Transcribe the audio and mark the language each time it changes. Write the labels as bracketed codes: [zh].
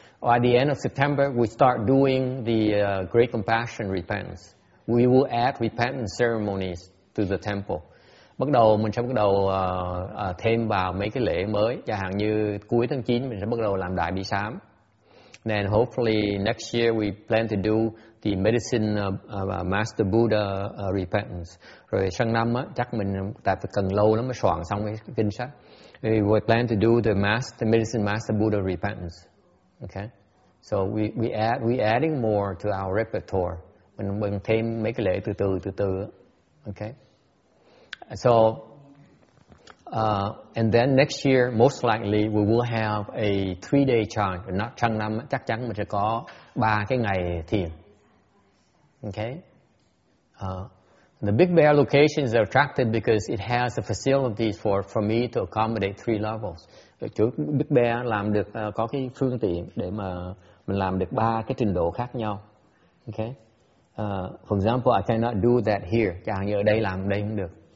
[en] Or at the end of September we start doing the great compassion repentance. We will add repentance ceremonies to the temple. [vi] Bắt đầu mình sẽ bắt đầu thêm vào mấy cái lễ mới, chẳng hạn như cuối tháng 9 mình sẽ bắt đầu làm đại bi sám. [en] Then hopefully next year we plan to do the medicine of Master Buddha repentance. [vi] Rồi sang năm á, chắc mình tại phải cần lâu lắm mới soạn xong cái kinh sách. [en] We plan to do the medicine Master Buddha repentance. Okay. So we adding more to our repertoire. [vi] Mình thêm mấy cái lễ từ từ. [en] Okay. So, and then next year, most likely, we will have a 3-day chant. [vi] Not trăng năm, chắc chắn mình sẽ có 3 cái ngày thiền. [en] Okay? The Big Bear location is attracted because it has the facilities for me to accommodate 3 levels. [vi] Chỗ Big Bear làm được có cái phương tiện để mà mình làm được 3 cái trình độ khác nhau. Okay? [en] For example, I cannot do that here. [vi] Chẳng như ở đây làm, đây không được.